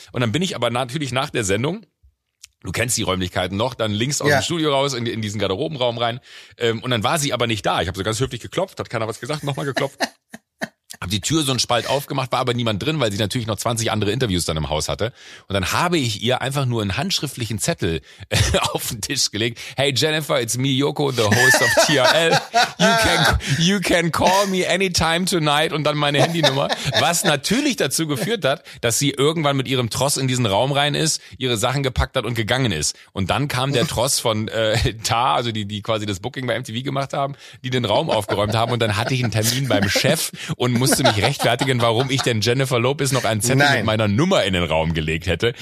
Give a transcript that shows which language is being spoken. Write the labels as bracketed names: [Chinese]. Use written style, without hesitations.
[German] Und dann bin ich aber natürlich nach der Sendung, du kennst die Räumlichkeiten noch, dann links aus dem Studio raus, in diesen Garderobenraum rein. Und dann war sie aber nicht da. Ich habe so ganz höflich geklopft, hat keiner was gesagt, nochmal geklopft. habe die Tür so einen Spalt aufgemacht, war aber niemand drin, weil sie natürlich noch 20 andere Interviews dann im Haus hatte. Und dann habe ich ihr einfach nur einen handschriftlichen Zettel auf den Tisch gelegt. [English] Hey Jennifer, it's me, Yoko, the host of TRL. You can call me anytime tonight [German] und dann meine Handynummer. Was natürlich dazu geführt hat, dass sie irgendwann mit ihrem Tross in diesen Raum rein ist, ihre Sachen gepackt hat und gegangen ist. Und dann kam der Tross von Tar, also die quasi das Booking bei MTV gemacht haben, die den Raum aufgeräumt haben, und dann hatte ich einen Termin beim Chef und musste mich rechtfertigen, warum ich denn Jennifer Lopez noch einen Zettel mit meiner Nummer in den Raum gelegt hätte.